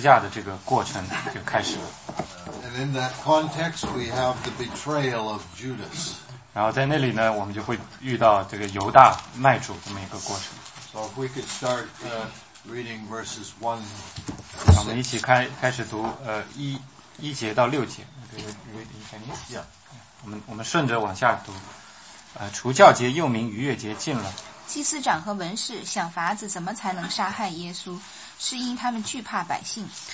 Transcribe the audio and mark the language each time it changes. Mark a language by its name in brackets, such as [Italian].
[Chinese] 这是开始进入到主的晚餐和他的上十字架的这个过程就开始了。 [English] And in that context, we have the betrayal of Judas. [Chinese] 然后在那里呢, 我们就会遇到这个犹大卖主这么一个过程。 [English] So if we could start reading verses 1 to 6. [Chinese] 我们一起开始读 1节到6节。 [English] Read in Chinese? Yeah. [Chinese] 我们顺着往下读。除酵节又名逾越节近了。祭司长和文士想法子怎么才能杀害耶稣, 是因他们惧怕百姓。